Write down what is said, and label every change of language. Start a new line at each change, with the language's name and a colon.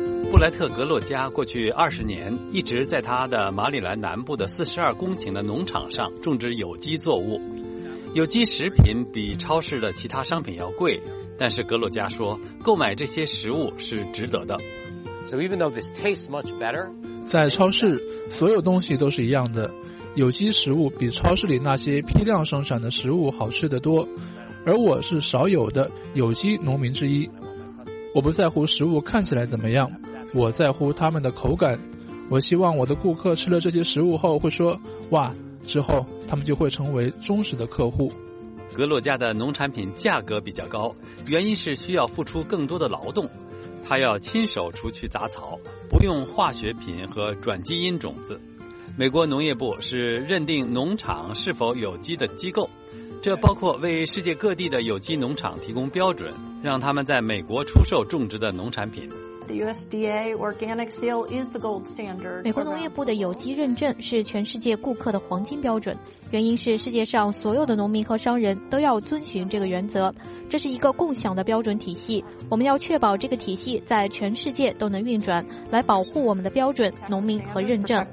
Chinese: 布莱特·格洛加过去20年一直在他的马里兰南部的42公顷的农场上种植有机作物。有机食品比超市的其他商品要贵，但是格洛加说，购买这些食物是值得的。
English: So even though this tastes much better,
Chinese: 在超市，所有东西都是一样的。有机食物比超市里那些批量生产的食物好吃得多，而我是少有的有机农民之一。我不在乎食物看起来怎么样，我在乎它们的口感。我希望我的顾客吃了这些食物后会说，哇，之后他们就会成为忠实的客户。格洛加的农产品价格比较高，原因是需要付出更多的劳动。他要亲手除去杂草，不用化学品和转基因种子。美国农业部是认定农场是否有机的机构，这包括为世界各地的有机农场提供标准，让他们在美国出售种植的农产品。
English: The USDA Organic Seal is the gold standard.
Chinese: 美国农业部的有机认证是全世界顾客的黄金标准，原因是世界上所有的农民和商人都要遵循这个原则，这是一个共享的标准体系，我们要确保这个体系在全世界都能运转，来保护我们的标准、农民和认证。